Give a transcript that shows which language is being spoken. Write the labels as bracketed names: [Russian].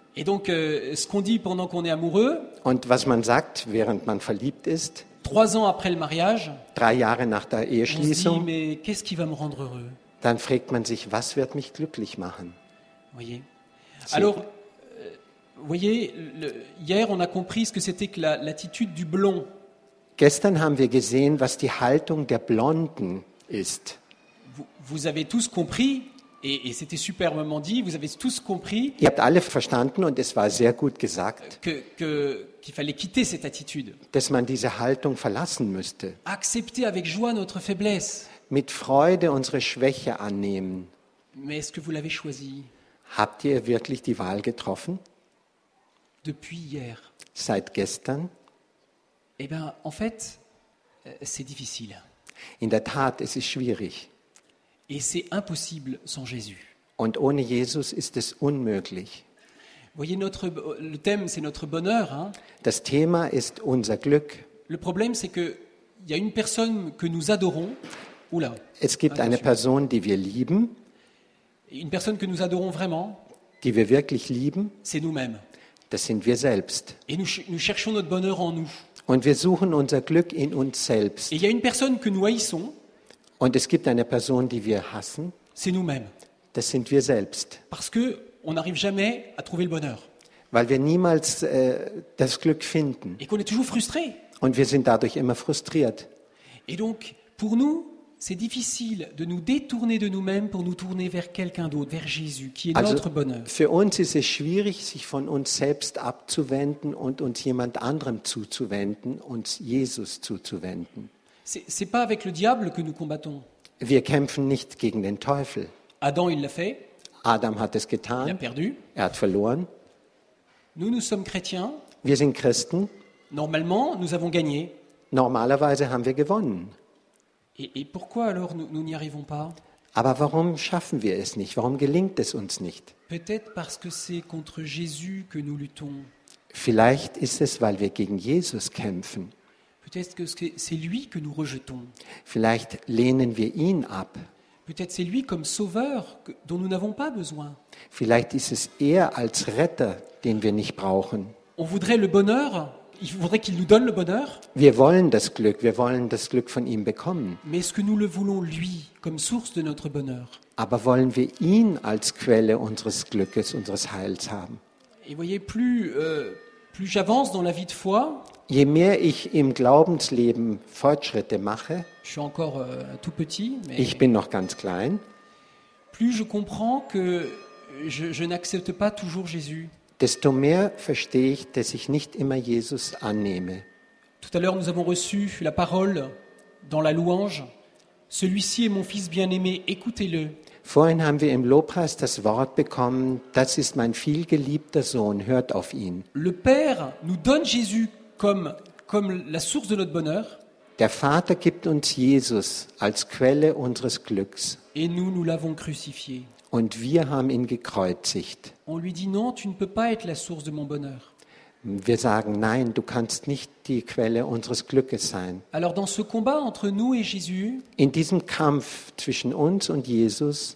[French] Et donc, ce qu'on dit pendant qu'on est amoureux. [German] Und was man sagt, während man verliebt ist. [French] 3 ans après le mariage. [German] 3 Jahre nach der Eheschließung. [French] On se dit, mais qu'est-ce qui va me rendre heureux? [German] Dann fragt man sich, was wird mich glücklich machen? [French] Voyez. Alors, voyez, hier, on a compris ce que c'était que l'attitude du blond. [German] Gestern haben wir gesehen, was die Haltung der Blonden ist. [French] Vous avez tous compris. Et c'était superbement dit, vous avez tous compris. [German] Ihr habt alle verstanden und es war sehr gut gesagt. [French] Qu'il fallait quitter cette attitude. [German] Dass man diese Haltung verlassen müsste. [French] Accepter avec joie notre faiblesse. [German] Mit Freude unsere Schwäche annehmen. [French] Mais est-ce que vous l'avez choisi? [German] Habt ihr wirklich die Wahl getroffen? [French] Depuis hier. [German] Seit gestern? [French] Eh bien, en fait, c'est difficile. [German] In der Tat, es ist schwierig. [French] Et c'est impossible sans Jésus. [German] Und ohne Jesus ist es unmöglich. [French] Voyez, notre, le thème, c'est notre bonheur. Hein? [German] Das Thema ist unser Glück. [French] Le problème, c'est qu'il y a une personne que nous adorons. Oula, [German] es gibt eine Person, die wir lieben. [French] Une personne que nous adorons vraiment. [German] Die wir wirklich lieben. [French] C'est nous-mêmes. [German] Das sind wir selbst. [French] Et nous cherchons notre bonheur en nous. [German] Und wir suchen unser Glück in uns selbst. [French] Et il y a une personne que nous haïssons. [German] Und es gibt eine Person, die wir hassen. [French] C'est nous-mêmes. [German] Das sind wir selbst. [French] Parce que on n'arrive jamais à trouver le bonheur. [German] Weil wir niemals das Glück finden. [French] Et qu'on est toujours frustré. [German] Und wir sind dadurch immer frustriert. [French] Et donc pour nous, c'est difficile de nous détourner de nous-mêmes pour nous tourner vers quelqu'un d'autre, vers Jésus, qui est [German] also, [French] notre bonheur. [German] Für uns ist es schwierig, sich von uns selbst abzuwenden und uns jemand anderem zuzuwenden, uns Jesus zuzuwenden. [French] C'est pas avec le diable que nous combattons. [German] Wir kämpfen nicht gegen den Teufel. [French] Adam, il l'a fait. [German] Adam hat es getan. [French] Il a perdu. [German] Er hat verloren. [French] Nous sommes chrétiens. [German] Wir sind Christen. [French] Normalement, nous avons gagné. [German] Normalerweise haben wir gewonnen. [French] Et pourquoi alors nous n'y arrivons pas? [German] Aber warum schaffen wir es nicht? Warum gelingt es uns nicht? [French] Peut-être parce que c'est contre Jésus que nous luttons. [German] Vielleicht ist es, weil wir gegen Jesus kämpfen. [French] Peut-être que c'est lui que nous rejetons. [German] Vielleicht lehnen wir ihn ab. [French] Peut-être c'est lui comme sauveur dont nous n'avons pas besoin. [German] Vielleicht ist es er als Retter, den wir nicht brauchen. [French] On voudrait le bonheur. Il voudrait qu'il nous donne le bonheur. [German] Wir wollen das Glück. Wir wollen das Glück von ihm bekommen. [French] Mais est-ce que nous le voulons lui comme source de notre bonheur? [German] Aber wollen wir ihn als Quelle unseres Glückes, unseres Heils haben? [French] Et voyez, plus j'avance dans la vie de foi. [German] Je mehr ich im Glaubensleben Fortschritte mache, [French] je suis encore tout petit, mais [German] ich bin noch ganz klein, [French] plus je comprends que je n'accepte pas toujours Jésus. [German] Desto mehr verstehe ich, dass ich nicht immer Jesus annehme. [French] Tout à l'heure, nous avons reçu la parole dans la louange. Celui-ci est mon fils bien-aimé, écoutez-le. [German] Vorhin haben wir im Lobpreis das Wort bekommen, das ist mein vielgeliebter Sohn, hört auf ihn. [French] Le Père nous donne Jésus comme la source de notre bonheur. [German] Der Vater gibt uns Jesus als Quelle unseres Glücks. [French] Et nous l'avons crucifié. [German] Und wir haben ihn gekreuzigt. [French] On lui dit non, tu ne peux pas être la source de mon bonheur. [German] Wir sagen nein, du kannst nicht die Quelle unseres Glückes sein. [French] Alors dans ce combat entre nous et Jésus, [German] in diesem Kampf zwischen uns und Jesus,